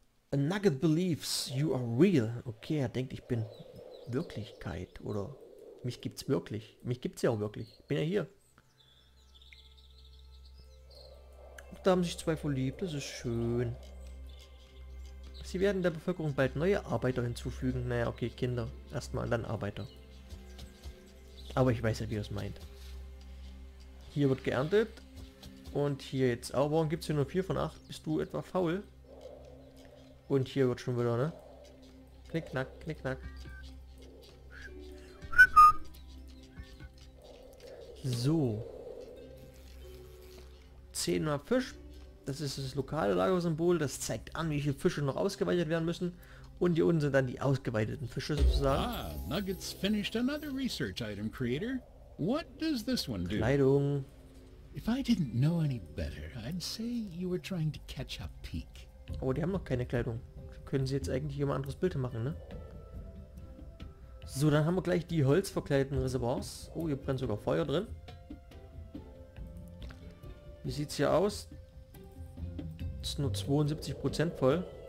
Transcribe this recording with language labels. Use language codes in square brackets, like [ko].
[en] A Nugget believes you are real. [de] Okay, er denkt, ich bin Wirklichkeit. Oder mich gibt's wirklich. Mich gibt's ja auch wirklich. Bin ja hier. Da haben sich zwei verliebt. Das ist schön. Sie werden der Bevölkerung bald neue Arbeiter hinzufügen. Naja, okay, Kinder. Erstmal, dann Arbeiter. Aber ich weiß ja, wie er es meint. Hier wird geerntet. Und hier jetzt auch. Warum gibt es hier nur 4 von 8? Bist du etwa faul? Und hier wird schon wieder, ne? Knick, knack, knick, knack. So. 10 mal Fisch. Das ist das lokale Lagersymbol, das zeigt an, wie viele Fische noch ausgeweidet werden müssen. Und hier unten sind dann die ausgeweideten Fische sozusagen. [en] Ah, Nuggets finished another research item, Creator. What does this one do? [de] Kleidung. [en] If I didn't know any better, I'd say you were trying to catch a peek. [de] Oh, die haben noch keine Kleidung. Können sie jetzt eigentlich hier mal ein anderes Bild machen, ne? So, dann haben wir gleich die holzverkleideten Reservoirs. Oh, hier brennt sogar Feuer drin. Wie sieht's hier aus? Nur 72% voll.